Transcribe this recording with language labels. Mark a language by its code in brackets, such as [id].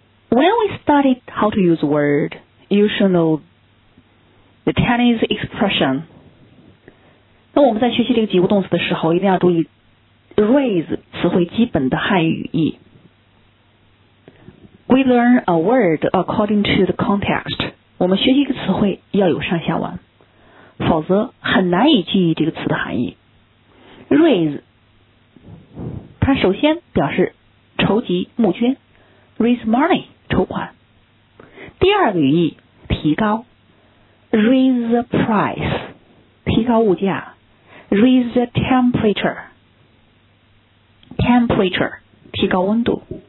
[en] When we studied how to use word, you should know the Chinese expression. [zh] 那我们在学习这个及物动词的时候，一定要注意 raise 词汇基本的汉语义。 [en] We learn a word according to the context. [zh] 我们学习一个词汇要有上下文，否则很难以记忆这个词的含义。 Raise， 它首先表示筹集募捐 ， [en] raise money [zh] 筹款。第二个语义提高 ， [en] raise the price [zh] 提高物价 ， [en] raise the temperature [zh] 提高温度。